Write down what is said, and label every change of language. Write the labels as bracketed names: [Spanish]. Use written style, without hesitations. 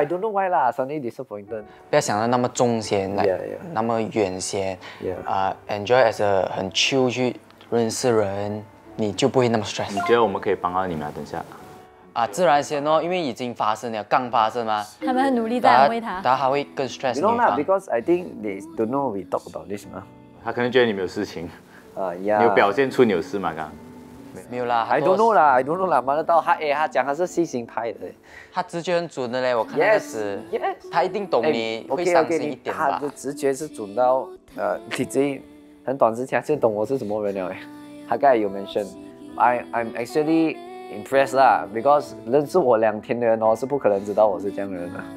[English] I don't know why lah. Suddenly disappointed. [Chinese] 不要想得那么重先，来、 [English] yeah, yeah. [Chinese] 那么远先。 [English] Yeah. Enjoy as a [Chinese] 很 chill 去认识人，你就不会那么 stress。你觉得我们可以帮到你吗？等一下。自然先哦，因为已经发生了，刚发生嘛。他们很努力在安慰他。他还会更 stress [English] 你。You know, because I think they don't know we talk about this 嘛。 [Chinese] 他可能觉得你没有事情。 [English] Yeah. [Chinese] 你有表现出你有事吗？刚。没有啦， [English] I don't know [Chinese] 啦 ，I don't know 啦，瞒得到他他讲他是细心派的，他直觉很准的嘞，我看那个是 [English] yes, [Chinese] 他一定懂你会伤心一点吧？ Okay, 他的直觉是准到你这很短之前就懂我是什么人了，他刚才有 mention， [English] I'm actually impressed [Chinese] 啦 ，because 认识我两天的人哦是不可能知道我是这样的人的，